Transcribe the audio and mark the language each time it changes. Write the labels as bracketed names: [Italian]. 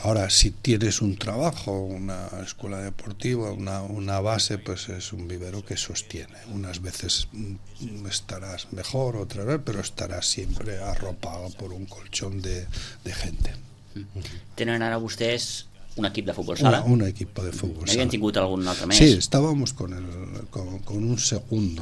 [Spanish] Ahora, si tienes un trabajo, una escuela deportiva, una base, pues es un vivero que sostiene. Unas veces estarás mejor, otras veces, pero estarás siempre arropado por un colchón de gente. [Catalan] Tenen ara vostès un equip de futbol sala. Un equip de futbol sala. Havien tingut algun altre més? [Spanish] Sí, estàvamos con un segundo.